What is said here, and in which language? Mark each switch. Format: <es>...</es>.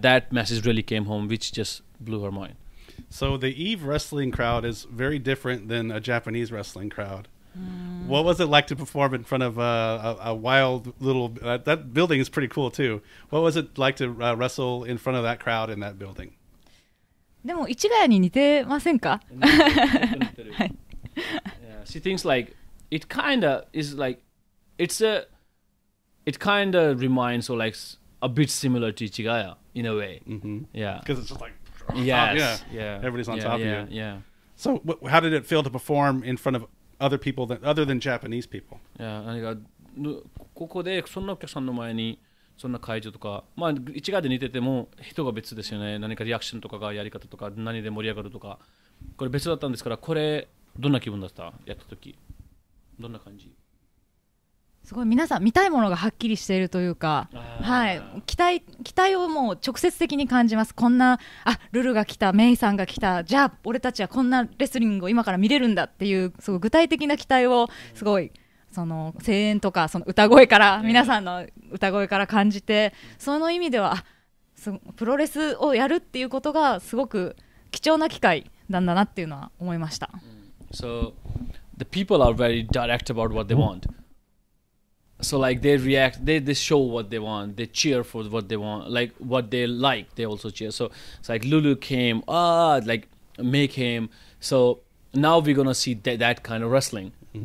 <en>That message really came home, which just blew her mind. So the Eve wrestling crowd is very different than a Japanese wrestling crowd. What was it like to perform in front of a wild little, that building is pretty cool too. What was it like to wrestle in front of that crowd in that building?</en> <ja>でも市ヶ谷に似てませんか？は</ja> <en>い。She thinks like it kind of is like it kind of reminds or like a bit similar to Ichigaya in a way. Mm-hmm. Yeah. Because it's just like, yeah. Everybody's on top of you. Yeah. So how did it feel to perform in front of other people than other than Japanese people?</en> <ja>Yeah. 何かここでそんなお客さんの前に。そんな会場とか、まあ一概で似てても人が別ですよね。何かリアクションとかがやり方とか何で盛り上がるとか、これ別だったんですから、これどんな気分だった？やった時どんな感じ？すごい、皆さん見たいものがはっきりしているというか、はい、期待をもう直接的に感じます。こんな、あ、ルルが来た、メイさんが来た、じゃあ俺たちはこんなレスリングを今から見れるんだっていう、すごい具体的な期待をすごい。その声援とかその歌声から皆さんの歌声から感じて、その意味ではプロレスをやるっていうことがすごく貴重な機会なんだなっていうのは思いました。</ja> <en>So the people are very direct about what they want. So like they react, they show what they want, they cheer for what they want, like what they like, they also cheer. So it's like Lulu came, like make him. So now we're gonna see that kind of wrestlingMm-hmm.</en>